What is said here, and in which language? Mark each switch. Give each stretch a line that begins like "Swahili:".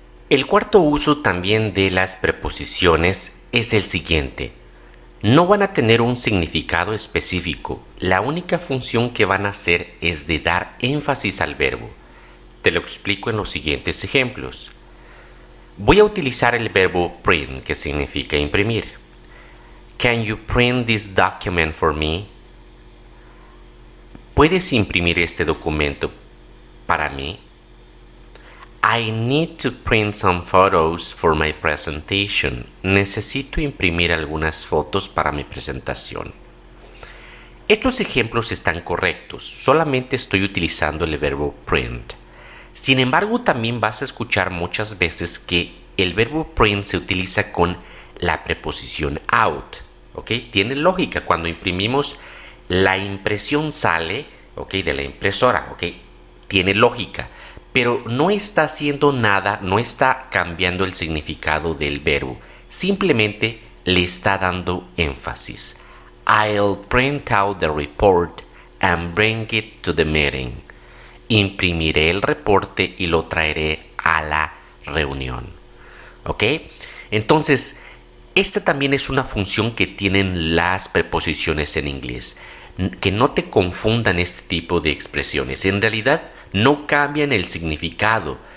Spanish: El cuarto uso también de las preposiciones es el siguiente. No van a tener un significado específico. La única función que van a hacer es de dar énfasis al verbo. Te lo explico en los siguientes ejemplos. Voy a utilizar el verbo print, que significa imprimir.
English: Can you print this document for me?
Spanish: ¿Puedes imprimir este documento para mí?
English: I need to print some photos for my presentation.
Spanish: Necesito imprimir algunas fotos para mi presentación. Estos ejemplos están correctos. Solamente estoy utilizando el verbo print. Sin embargo, también vas a escuchar muchas veces que el verbo print se utiliza con la preposición out, ¿ok? Tiene lógica. Cuando imprimimos, la impresión sale, ¿ok? De la impresora, ¿ok? Tiene lógica. Pero no está haciendo nada, no está cambiando el significado del verbo. Simplemente le está dando énfasis.
English: I'll print out the report and bring it to the meeting.
Spanish: Imprimiré el reporte y lo traeré a la reunión. ¿Ok? Entonces, esta también es una función que tienen las preposiciones en inglés. Que no te confundan este tipo de expresiones. En realidad, no cambian el significado.